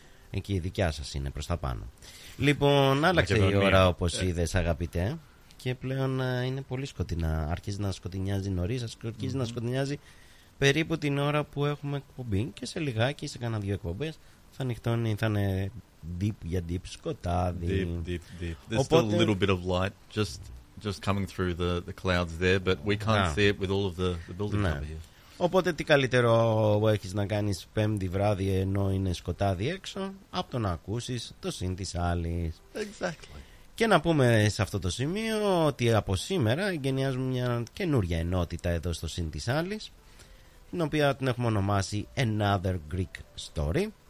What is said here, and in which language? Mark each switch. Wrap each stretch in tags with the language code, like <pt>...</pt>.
<el>Εκεί η δικιά σας είναι, προς τα πάνω. Λοιπόν, άλλαξε η ώρα, όπως είδες, αγαπητέ, και πλέον είναι πολύ σκοτεινά. Αρχίζει να σκοτεινιάζει νωρίς, αρχίζει να σκοτεινιάζει περίπου την ώρα που έχουμε εκπομπή, και σε λιγάκι, σε κανένα δύο εκπομπές, θα νυχτώνει, θα είναι deep για deep σκοτάδι.</el> <en>Deep. There's οπότε... still a little bit of light just coming through the clouds there, but we can't see it with all of the building cover here.</en> <el>Οπότε τι καλύτερο έχεις να κάνεις Πέμπτη βράδυ ενώ είναι σκοτάδι έξω, από το να ακούσεις το σύν της άλλης.</el> <en>Exactly.</en> <el>Και να πούμε σε αυτό το σημείο ότι από σήμερα εγκαινιάζουμε μια καινούρια ενότητα εδώ στο σύν της άλλης, την οποία την έχουμε ονομάσει Another Greek Story.</el>